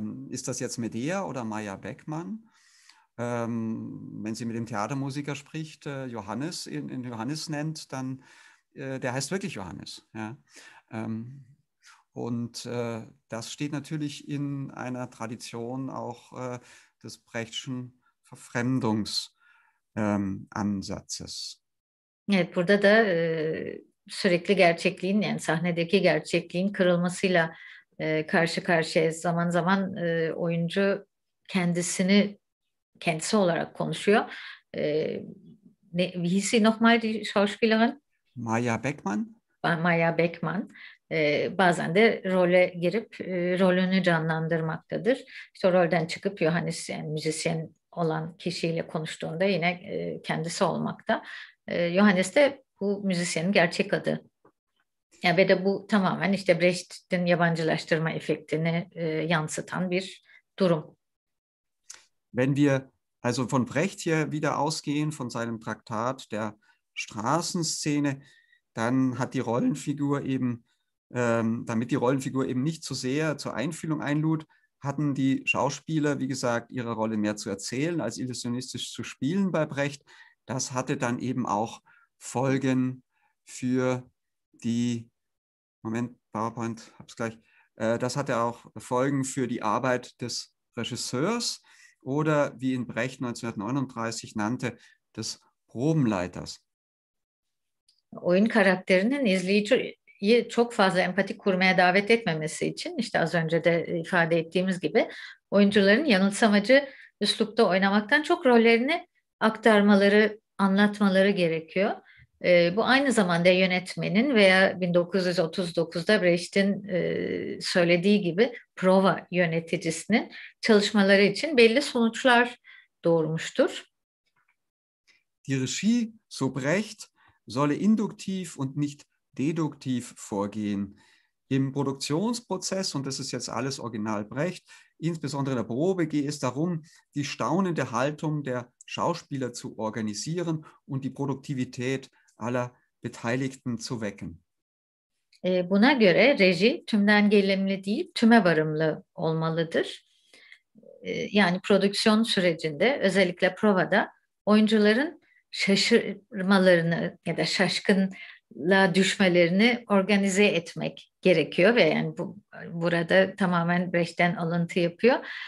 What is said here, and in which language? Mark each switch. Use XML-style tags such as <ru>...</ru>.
<de>Ist das jetzt Medea oder Maya Beckmann? Wenn sie mit dem Theatermusiker spricht, Johannes, in Johannes nennt, dann der heißt wirklich Johannes. Ja. Und das steht natürlich in einer Tradition auch des Brechtschen Verfremdungsansatzes.</de> <tr>Evet, burada da sürekli gerçekliğin, yani sahnedeki gerçekliğin kırılmasıyla karşı karşıya, zaman zaman oyuncu kendisini kendisi olarak konuşuyor.</tr> <de>Wie hieß sie nochmal, die Schauspielerin? Maya Beckmann. Maya Beckmann.</de> <tr>Bazen de role girip rolünü canlandırmaktadır. İşte rolden çıkıp Johannes, yani müzisyen olan kişiyle konuştuğunda yine kendisi olmakta. Johannes de bu müzisyenin gerçek adı. Yani ve de bu tamamen işte Brecht'in yabancılaştırma efektini yansıtan bir durum.</tr> <de>Wenn wir also von Brecht hier wieder ausgehen, von seinem Traktat der Straßenszene, dann hat die Rollenfigur eben, damit die Rollenfigur eben nicht zu sehr zur Einfühlung einlud, hatten die Schauspieler, wie gesagt, ihre Rolle mehr zu erzählen als illusionistisch zu spielen bei Brecht. Das hatte dann eben auch Folgen für die, Moment, PowerPoint, hab's gleich, das hatte auch Folgen für die Arbeit des Regisseurs oder, wie ihn Brecht 1939 nannte, des Probenleiters.</de> <tr>Oyun karakterinin izleyiciyi çok fazla empati kurmaya davet etmemesi için, işte az önce de ifade ettiğimiz gibi, oyuncuların yanılsamacı üslupta oynamaktan çok rollerini aktarmaları, anlatmaları gerekiyor. Bu aynı zamanda yönetmenin veya 1939'da Brecht'in söylediği gibi prova yöneticisinin çalışmaları için belli sonuçlar doğurmuştur.</tr> <de>Die Regie, so Brecht, solle induktiv und nicht deduktiv vorgehen. Im Produktionsprozess, und das ist jetzt alles original Brecht, insbesondere in der Probe, gehe es darum, die staunende Haltung der Schauspieler zu organisieren und die Produktivität aller Beteiligten zu wecken.</de> <tr>Buna göre Regie tümden gelimli değil, tüme varımlı olmalıdır. Yani prodüksiyon sürecinde, özellikle provada, oyuncuların şaşırmalarını ya da şaşkınlığa düşmelerini organize etmek gerekiyor ve yani bu burada tamamen Brecht'ten alıntı yapıyor.</tr>